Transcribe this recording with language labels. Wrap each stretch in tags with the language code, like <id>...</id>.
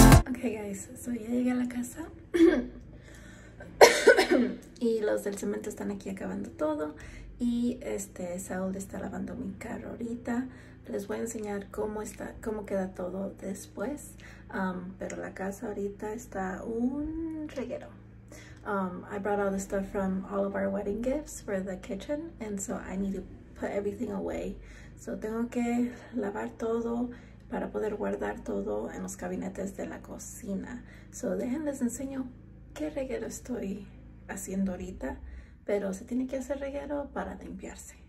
<en>Okay guys,</en> <es>so ya llegué a la casa y los del cemento están aquí acabando todo. Y Saul está lavando mi carro ahorita. Les voy a enseñar cómo queda todo después. Pero la casa ahorita está un reguero.</es> <en>I brought all the stuff from all of our wedding gifts for the kitchen. And so I need to put everything away.</en> <es>So tengo que lavar todo para poder guardar todo en los gabinetes de la cocina. So déjenles enseño qué reguero estoy haciendo ahorita. Pero se tiene que hacer reguero para limpiarse.</es>